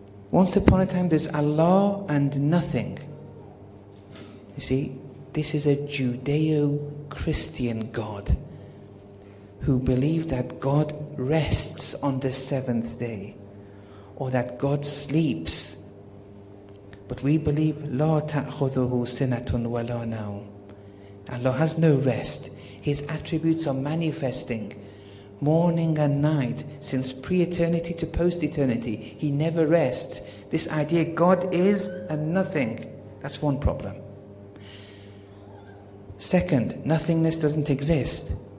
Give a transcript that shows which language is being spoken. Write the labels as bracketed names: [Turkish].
[English] Once upon a time, there's Allah and nothing. You see, this is a Judeo-Christian God who believed that God rests on the seventh day, or that God sleeps. But we believe [Arabic] لا تأخذه سنة ولا نوم. [English] Allah has no rest. His attributes are manifesting morning and night, since pre-eternity to post-eternity. He never rests. This idea, God is a nothing. That's one problem. Second, nothingness doesn't exist.